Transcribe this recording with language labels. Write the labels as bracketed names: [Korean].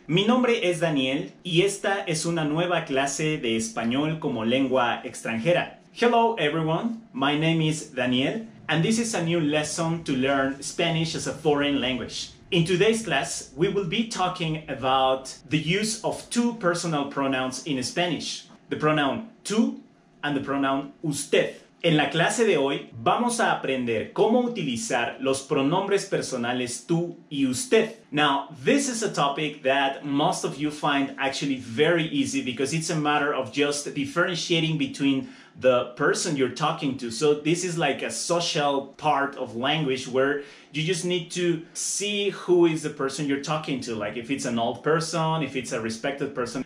[Spanish] Mi nombre es Daniel y esta es una nueva clase de español como lengua extranjera. [English] Hello everyone, my name is Daniel and this is a new lesson to learn Spanish as a foreign language. In today's class, we will be talking about the use of two personal pronouns in Spanish, the pronoun tú and the pronoun usted. [Spanish] En la clase de hoy, vamos a aprender cómo utilizar los pronombres personales tú y usted. [English] Now, this is a topic that most of you find actually very easy because it's a matter of just differentiating between the person you're talking to. So this is like a social part of language where you just need to see who is the person you're talking to, like if it's an old person, if it's a respected person.